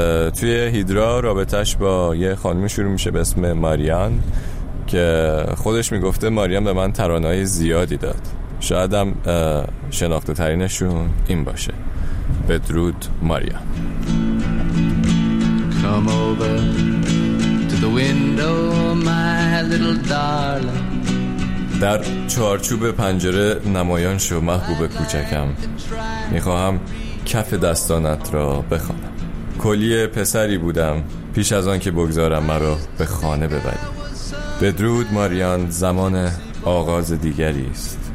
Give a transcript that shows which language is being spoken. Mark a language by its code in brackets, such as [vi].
[fa] توی هیدرا رابطهش با یه خانمی شروع میشه به اسم ماریان که خودش میگفته ماریان به من ترانه‌های زیادی داد، شاید هم شناخته ترینشون این باشه، بدرود ماریان. [en] Come over to the window my little darling. [fa] در چارچوب پنجره نمایان شو محبوب کوچکم، میخواهم کف دستانت را بخوانم. کلی پسری بودم پیش از آن که بگذارم مرا به خانه ببری. بدرود ماریان، زمان آغاز دیگری است.